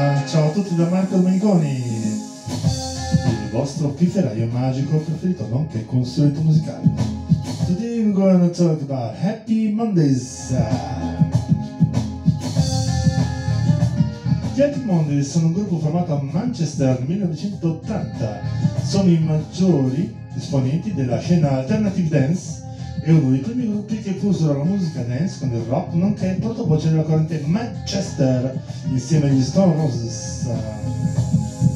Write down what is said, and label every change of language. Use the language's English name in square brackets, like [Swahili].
[Italian] Ciao a tutti da Marco Domeniconi, il vostro pifferaio magico preferito, nonché consulente musicale. [English] Today we're going to talk about Happy Mondays. [Italian] Gli Happy Mondays sono un gruppo formato a Manchester nel 1980. Sono i maggiori esponenti della scena alternative dance e uno dei primi gruppi che fusero la musica dance con il rock, nonché il portavoce della corrente Manchester, insieme agli Stone Roses.